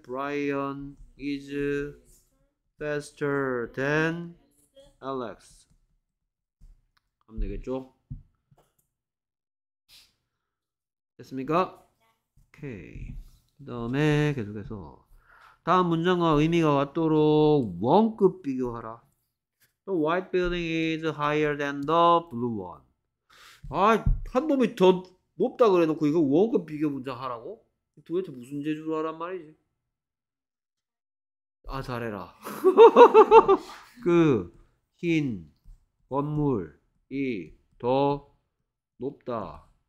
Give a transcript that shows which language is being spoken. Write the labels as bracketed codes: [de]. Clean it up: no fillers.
[en] 브라이언 is faster than Alex. [ko] 하면 되겠죠? 됐습니까? 오케이. 그 다음에 계속해서 다음 문장과 의미가 같도록 원급 비교하라. [en] The white building is higher than the blue one. [ko] 아, 한 놈이 더 높다 그래 놓고 이거 원급 비교 문장 하라고? 도대체 무슨 재주를 하란 말이지? 아, 잘해라. 그 흰 건물이 더 높다.